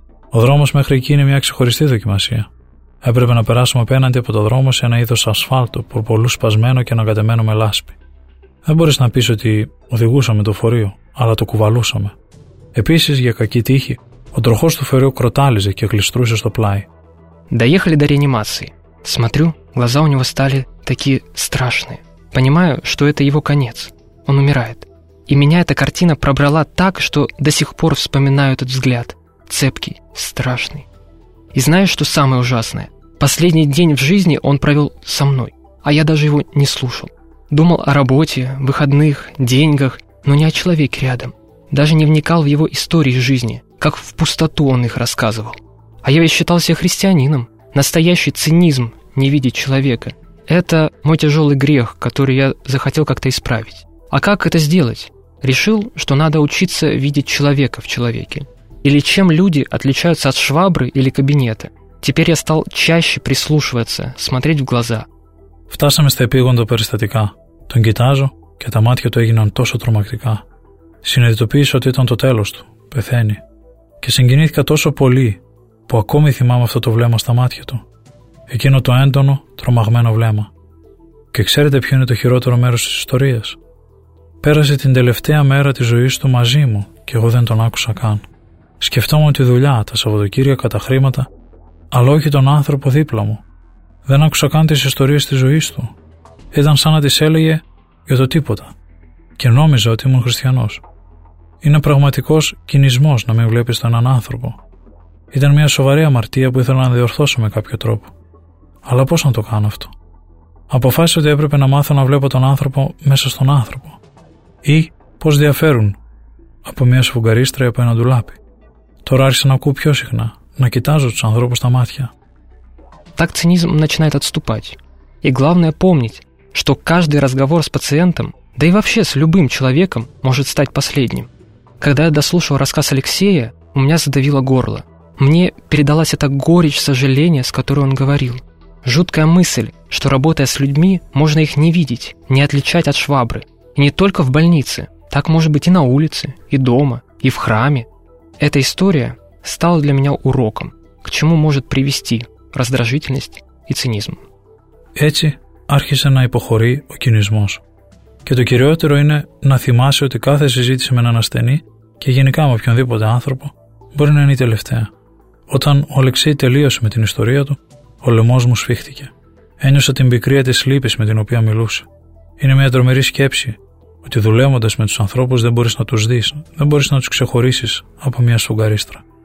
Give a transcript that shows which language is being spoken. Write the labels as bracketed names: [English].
[Greek] Ο δρόμος μέχρι εκεί είναι μια ξεχωριστή δοκιμασία. Έπρεπε να περάσουμε απέναντι από το δρόμο σε ένα είδος ασφάλτου, πορπολού σπασμένο και ανακατεμένο με λάσπη. Δεν μπορείς να πεις ότι οδηγούσαμε το φορείο, αλλά το κουβαλούσαμε. Επίσης, για κακή τύχη, ο τροχός του φορείου κροτάλιζε και γλιστρούσε στο πλάι. [Russian] Доехали до реанимации. Смотрю, глаза у него стали такие страшные. Понимаю, что это его конец. Он умирает. И меня эта картина пробрала так, что до сих пор вспоминаю этот взгляд. Цепкий, страшный. И знаешь, что самое ужасное? Последний день в жизни он провел со мной. А я даже его не слушал. Думал о работе, выходных, деньгах, но не о человеке рядом. Даже не вникал в его истории жизни, как в пустоту он их рассказывал. А я ведь считал себя христианином. Настоящий цинизм не видеть человека. Это мой тяжелый грех, который я захотел как-то исправить. А как это сделать? Решил, что надо учиться видеть человека в человеке. Или чем люди отличаются от швабры или кабинета. Теперь я стал чаще прислушиваться, смотреть в глаза. [Greek] Φτάσαμε στα επίγοντα περιστατικά. Τον κοιτάζω και τα μάτια του έγιναν τόσο τρομακτικά. Συνειδητοποίησα ότι ήταν το τέλος του. Πεθαίνει. Και συγκινήθηκα τόσο πολύ που ακόμη θυμάμαι αυτό το βλέμμα στα μάτια του. Εκείνο το έντονο, τρομαγμένο βλέμμα. Και ξέρετε ποιο είναι το χειρότερο μέρος της ιστορίας? Πέρασε την τελευταία μέρα της ζωής του μαζί μου και εγώ δεν τον άκουσα καν. Σκεφτόμουν τη δουλειά, τα Σαββατοκύριακα, τα χρήματα, αλλά όχι τον άνθρωπο δίπλα μου. Δεν άκουσα καν τις ιστορίες της ζωής του. Ήταν σαν να τις έλεγε για το τίποτα. Και νόμιζα ότι ήμουν χριστιανός. Είναι πραγματικός κινησμός να μην βλέπεις τον έναν άνθρωπο. Ήταν μια σοβαρή αμαρτία που ήθελα να διορθώσω με κάποιο τρόπο. Αλλά πώς να το κάνω αυτό? Αποφάσισα ότι έπρεπε να μάθω να βλέπω τον άνθρωπο μέσα στον άνθρωπο. Ή πώς διαφέρουν από μια σφουγγαρίστρα ή από ένα ντουλάπι. Τώρα άρχισα να ακούω πιο συχνά, να κοιτάζω τους ανθρώπους στα μάτια. [Russian] Так цинизм начинает отступать. И главное помнить, что каждый разговор с пациентом, да и вообще с любым человеком, может стать последним. Когда я дослушал рассказ Алексея, у меня задавило горло. Мне передалась эта горечь сожаления, с которой он говорил. Жуткая мысль, что работая с людьми, можно их не видеть, не отличать от швабры. И не только в больнице, так может быть и на улице, и дома, и в храме. Эта история стала для меня уроком, к чему может привести раздражительность и цинизм. [Greek] Έτσι άρχισε να υποχωρεί ο κινησμός. Και το κυριότερο είναι να θυμάσαι ότι κάθε συζήτηση με έναν ασθενή και γενικά με οποιονδήποτε άνθρωπο μπορεί να είναι η τελευταία. Όταν ο Αλεξέη τελείωσε με την ιστορία του, ο λαιμός μου σφίχτηκε. Ένιωσα την πικρία της λύπης με την οποία μιλούσε. Είναι μια τρομερή σκέψη ότι δουλεύοντας με τους ανθρώπους δεν μπορείς να τους δεις, δεν μπορείς να τους ξεχωρίσεις από μια σφουγγαρίστρα.